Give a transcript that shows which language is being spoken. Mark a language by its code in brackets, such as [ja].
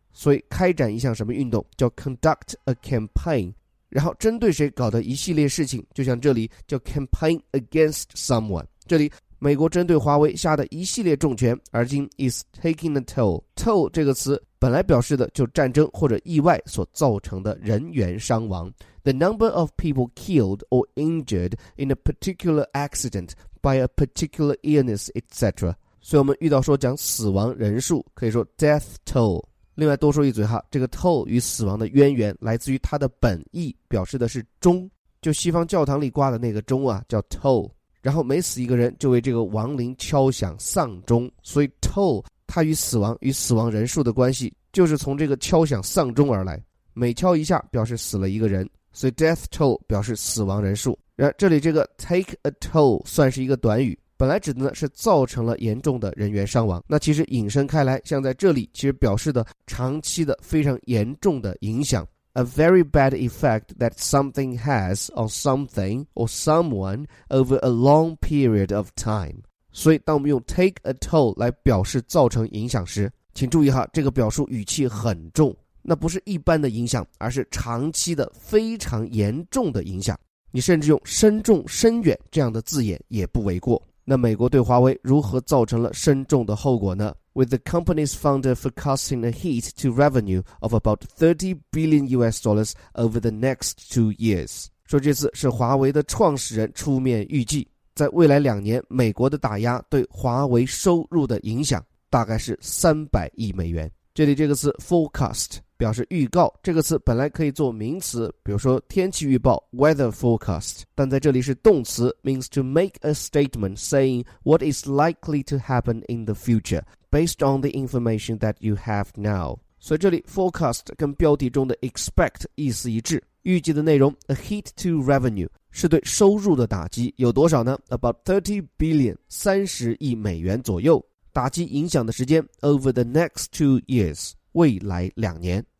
[zh] 所以开展一项什么运动叫 [en] conduct a campaign， [zh] 然后针对谁搞的一系列事情，就像这里叫 [en] campaign against someone。 [zh] 这里美国针对华为下的一系列重拳，而今 [en] is taking a toll。 [zh] toll 这个词本来表示的就战争或者意外所造成的人员伤亡。 [en] The number of people killed or injured in a particular accident by a particular illness etc。 [zh] 所以我们遇到说讲死亡人数可以说 death toll。另外多说一嘴哈，这个 toll 与死亡的渊源来自于它的本意，表示的是钟，就西方教堂里挂的那个钟啊叫 toll，然后每死一个人就为这个亡灵敲响丧钟，所以 toll 它与死亡与死亡人数的关系就是从这个敲响丧钟而来，每敲一下表示死了一个人，所以 death toll 表示死亡人数。然而这里这个 take a toll 算是一个短语，本来指的是造成了严重的人员伤亡，那其实引申开来像在这里其实表示的长期的非常严重的影响。 [en] A very bad effect that something has on something or someone over a long period of time. [zh] 所以当我们用 take a toll 来表示造成影响时，请注意哈，这个表述语气很重，那不是一般的影响，而是长期的非常严重的影响。你甚至用深重深远这样的字眼也不为过。那美国对华为如何造成了深重的后果呢？ [en] With the company's founder forecasting a hit to revenue of about $30 billion US dollars over the next 2 years， [zh] 说这次是华为的创始人出面预计，在未来两年，美国的打压对华为收入的影响大概是300亿美元。这里这个词 forecast 表示预告，这个词本来可以做名词，比如说天气预报 weather forecast， 但在这里是动词 [en] means to make a statement saying what is likely to happen in the future based on the information that you have now。 [zh] 所以这里 forecast 跟标题中的 expect 意思一致，预计的内容 [en] a hit to revenue [zh] 是对收入的打击，有多少呢？ [en] About 30 billion [zh] 30亿美元左右，打击影响的时间 [en] over the next 2 years [zh] 未来两年。